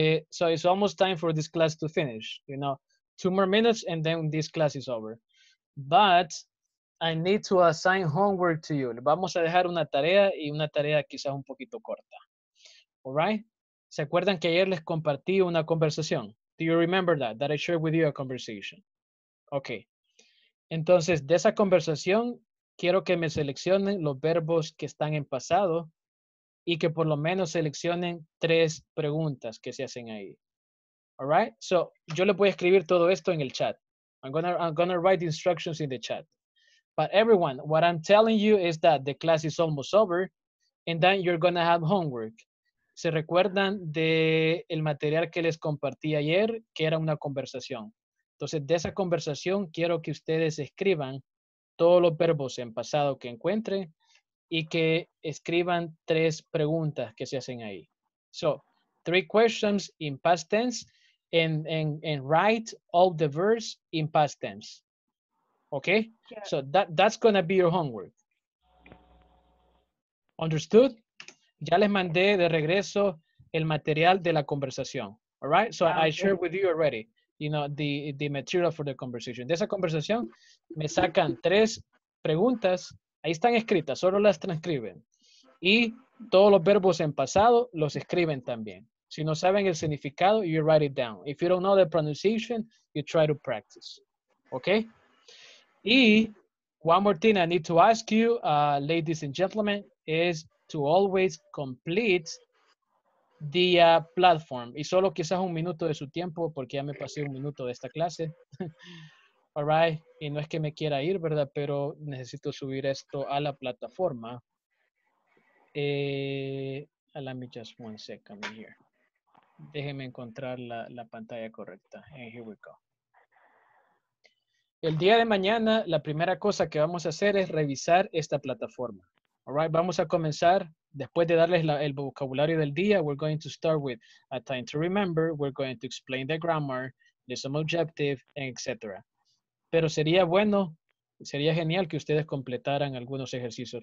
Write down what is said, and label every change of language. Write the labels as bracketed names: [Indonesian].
[English] So it's almost time for this class to finish, you know, two more minutes and then this class is over. But I need to assign homework to you. [Spanish] Vamos a dejar una tarea y una tarea quizás un poquito corta. [English] All right? [Spanish] ¿Se acuerdan que ayer les compartí una conversación? [English] Do you remember that? That I shared with you a conversation. Okay. [Spanish] Entonces, de esa conversación, quiero que me seleccionen los verbos que están en pasado y que por lo menos seleccionen tres preguntas que se hacen ahí. [English] All right? [Spanish] So, yo le voy a escribir todo esto en el chat. [English] I'm gonna write the instructions in the chat. But everyone, what I'm telling you is that the class is almost over, and then you're gonna have homework. [Spanish] ¿Se recuerdan del material que les compartí ayer, que era una conversación? Entonces, de esa conversación, quiero que ustedes escriban todos los verbos en pasado que encuentren, y que escriban tres preguntas que se hacen ahí. [English] So, three questions in past tense, and write all the verbs in past tense. Okay? Sure. So, that's going to be your homework. Understood? [Spanish] Ya les mandé de regreso el material de la conversación. [English] All right? So, okay. I shared with you already, you know, the material for the conversation. [Spanish] De esa conversación, me sacan tres preguntas. Ahí están escritas, solo las transcriben. Y todos los verbos en pasado los escriben también. Si no saben el significado, [English] you write it down. If you don't know the pronunciation, you try to practice. Okay? Y one more thing I need to ask you, ladies and gentlemen, is to always complete the platform. [Spanish] Y solo quizás un minuto de su tiempo, porque ya me pasé un minuto de esta clase. [English] All right, [Spanish] y no es que me quiera ir, ¿verdad? Pero necesito subir esto a la plataforma. Let me just one second here. Déjeme encontrar la pantalla correcta. And here we go. El día de mañana, la primera cosa que vamos a hacer es revisar esta plataforma. [English] All right, [Spanish] vamos a comenzar después de darles el vocabulario del día. [English] We're going to start with a time to remember. We're going to explain the grammar, the some objective, etc. [Spanish] Pero sería bueno, sería genial que ustedes completaran algunos ejercicios.